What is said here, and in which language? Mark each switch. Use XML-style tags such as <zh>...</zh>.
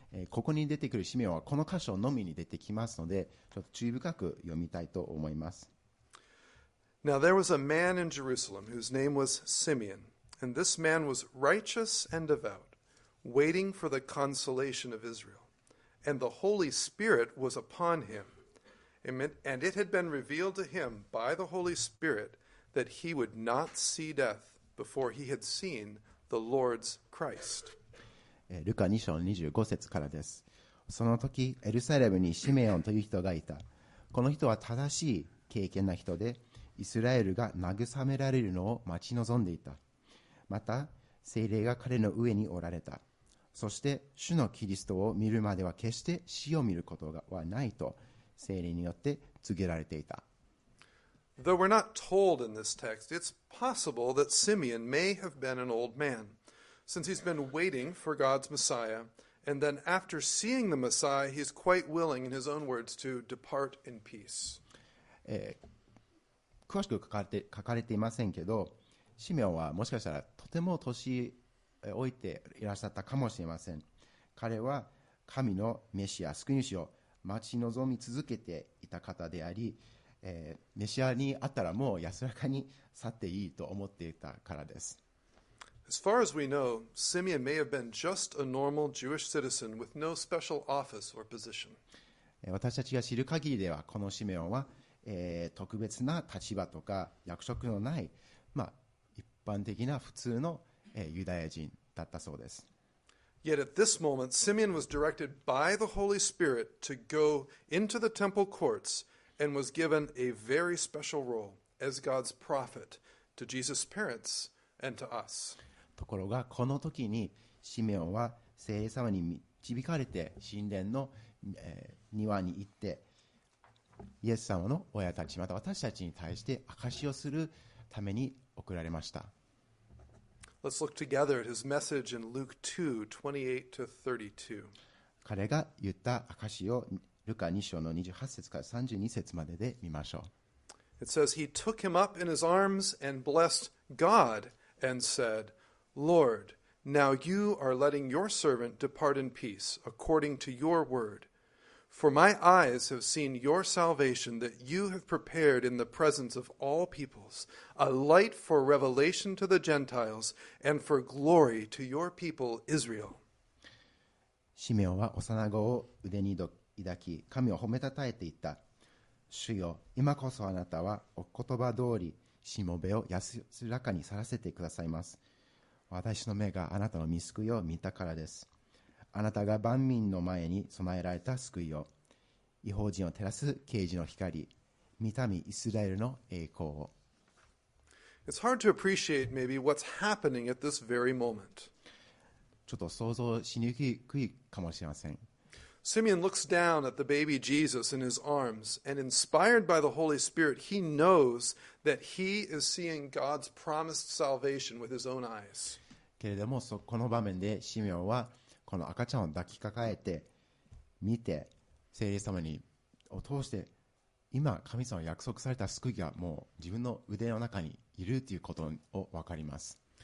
<ja>ここに出てくるシメオンはこの箇所のみに出てきますので、ちょっと注意深く読みたいと思います。</ja> <en>Now there was a man in Jerusalem whose name was Simeon, and this man was righteous and devout, waiting for the consolation of Israel. And the Holy Spirit was upon him. And it had been revealed to him by the Holy Spirit that he would not see death before he had seen the Lord's Christ.</en> <ja>ルカ2章25節からです。その時、エルサレムにシメオンという人がいた。この人は正しい敬虔な人で、イスラエルが慰められるのを待ち望んでいた。また、聖霊が彼の上におられた。そして主のキリストを見るまでは決して死を見ることはないと聖霊によって告げられていた。</ja> <en>Though we're not told in this text, it's possible that Simeon may have been an old man, since he's been waiting for God's Messiah, and then after seeing the Messiah, he's quite willing, in his own words, to depart in peace.</en> <ja>詳しく書かれていませんけど、シメオンはもしかしたらとても年置いていらっしゃったかもしれません。彼は神のメシア、救い主を待ち望み続けていた方であり、メシアに会ったらもう安らかに去っていいと思っていたからです。</ja> <en>As far as we know, Simeon may have been just a normal Jewish citizen with no special office or position.</en> <ja>私たちが知る限りではこのシメオンは、特別な立場とか役職のない、まあ、一般的な普通のユダヤ人だったそうです。</ja> <en>Yet at this moment, Simeon was directed by the Holy Spirit to go into the temple courts and was given a very special role as God's prophet to Jesus' parents and to us.</en> <ja>ところがこの時にシメオンは聖霊様に導かれて神殿の庭に行ってイエス様の親たちまた私たちに対して証しをするために送られました。</ja> <en>Let's look together at his message in Luke 2:28-32.</en> <ja>彼が言った証をルカ2章の28節から32節までで見ましょう。</ja> <en>It says, He took him up in his arms and blessed God and said, Lord, now you are letting your servant depart in peace according to your word. For my eyes have seen your salvation that you have prepared in the presence of all peoples, a light for revelation to the Gentiles and for glory to your people Israel.</en> <ja>シメオは幼子を腕に抱き、神を褒めたたえていった。主よ、今こそあなたはお言葉通りしもべを安らかに去らせてくださいます。私の目があなたの見救いを見たからです。あなたが万民の前に備えられた救いを、異邦人を照らす啓示の光、御民イスラエルの栄光を。</ja> <en>It's hard to appreciate maybe what's happening at this very moment.</en> <ja>ちょっと想像しにくいかもしれません。</ja> <en>Simeon looks down at the baby Jesus in his arms, and inspired by the Holy Spirit, he knows that he is seeing God's promised salvation with his own eyes.</en> <ja>けれども、この場面でシメオはこの赤ちゃんを抱きかかえて見て、聖霊様にを通して今神様約束された救いがもう自分の腕の中にいるということを分かります。</ja>